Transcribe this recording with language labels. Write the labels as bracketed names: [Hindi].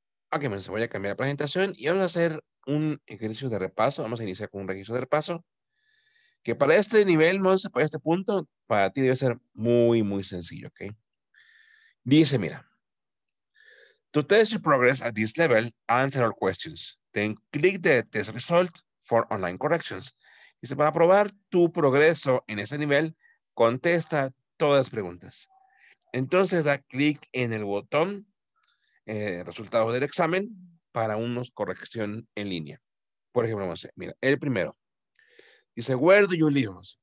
[Spanish] Ok, me voy a cambiar la presentación y vamos a hacer un ejercicio de repaso. Vamos a iniciar con un ejercicio de repaso. Que para este nivel, Monse, para este punto, para ti debe ser muy, muy sencillo, ¿ok? Dice, mira. [English] To test your progress at this level, answer all questions. Then click the test result for online corrections. [Spanish] Dice, para probar tu progreso en este nivel, contesta todas las preguntas. Entonces da clic en el botón resultados del examen para unos corrección en línea. Por ejemplo, mira, el primero. Dice, [English] where do you live?